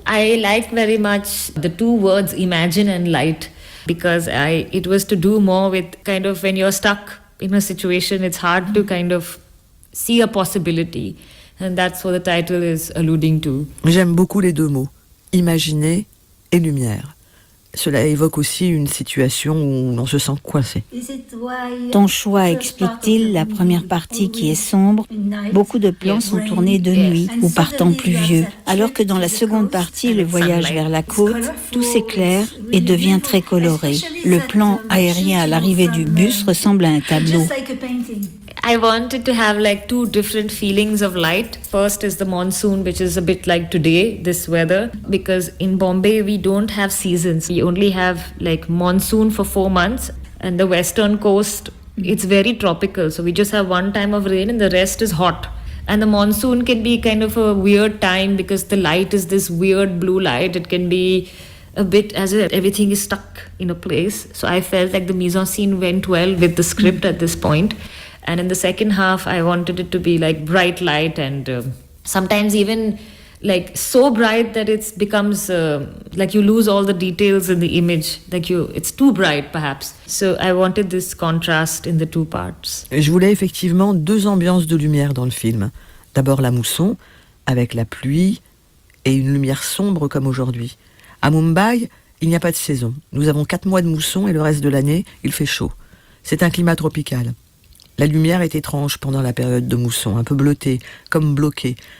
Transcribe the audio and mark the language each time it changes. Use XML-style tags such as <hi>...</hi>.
<en>I like very much the two words imagine and light because it was to do more with kind of when you're stuck in a situation, it's hard to kind of see a possibility. And that's what the title is alluding to.</en> <fr>J'aime beaucoup les deux mots, imaginer et lumière. Cela évoque aussi une situation où on se sent coincé. Ton choix, explique-t-il, la première partie qui est sombre, beaucoup de plans sont tournés de nuit ou par temps pluvieux, alors que dans la seconde partie, le voyage vers la côte, tout s'éclaire et devient très coloré. Le plan aérien à l'arrivée du bus ressemble à un tableau.</fr> <en>I wanted to have like two different feelings of light. First is the monsoon, which is a bit like today, this weather. Because in Bombay, we don't have seasons. We only have like monsoon for 4 months. And the western coast, it's very tropical. So we just have one time of rain and the rest is hot. And the monsoon can be kind of a weird time because the light is this weird blue light. It can be a bit as if everything is stuck in a place. So I felt like the mise-en-scene went well with the script at this point. And in the second half, I wanted it to be like bright light and sometimes even like so bright that it becomes like you lose all the details in the image. Like it's too bright perhaps. So I wanted this contrast in the two parts.</en> <fr>Je voulais effectivement deux ambiances de lumière dans le film. D'abord la mousson avec la pluie et une lumière sombre comme aujourd'hui. À Mumbai, il n'y a pas de saison. Nous avons 4 mois de mousson et le reste de l'année, il fait chaud. C'est un climat tropical. La lumière est étrange pendant la période de mousson, un peu bleutée, comme bloquée.</fr>